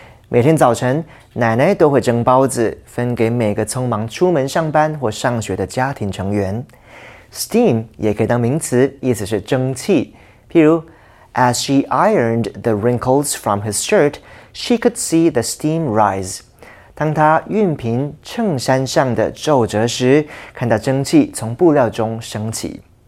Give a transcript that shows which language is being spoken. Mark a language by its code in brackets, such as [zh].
[zh] 每天早晨，奶奶都会蒸包子，分给每个匆忙出门上班或上学的家庭成员。 steam 也可以当名词，意思是蒸汽。譬如 [en] As she ironed the wrinkles from his shirt, she could see the steam rise. [zh] 当她熨平衬衫上的皱褶时，看到蒸汽从布料中升起。